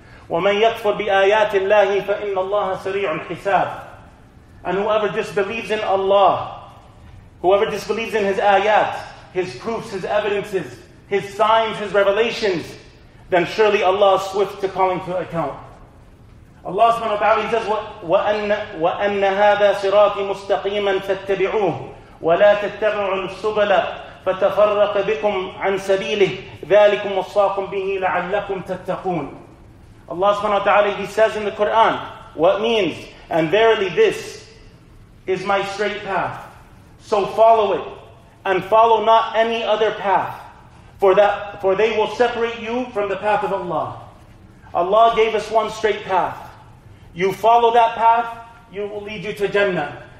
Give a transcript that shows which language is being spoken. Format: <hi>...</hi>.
<ar>وَمَنْ يَكْفُرْ بِآيَاتِ اللَّهِ فَإِنَّ اللَّهَ سَرِيعُ الْحِسَابِ.</ar> <en>And whoever disbelieves in Allah, whoever disbelieves in His ayat, His proofs, His evidences, His signs, His revelations, then surely Allah is swift to calling to account.</en> <ar>Allah subhanahu wa ta'ala</ar> <en>says,</en> <ar>وَأَنَّ هَذَا صِرَاطِ مُسْتَقِيمًا فَاتَّبِعُوهُ وَلَا تَتَّبِعُوا السُّبَلَ فَتَفَرَّقَ بِكُمْ عَنْ سَبِيلِهِ ذَلِكُمْ وَصَّاكُمْ بِهِ لَعَلَّكُمْ تَتَّقُونَ.</ar> <en>Allah subhanahu wa ta'ala, He says in the Quran, what means, and verily this is my straight path, so follow it, and follow not any other path, for they will separate you from the path of Allah. Allah gave us one straight path. You follow that path, it will lead you to Jannah.</en>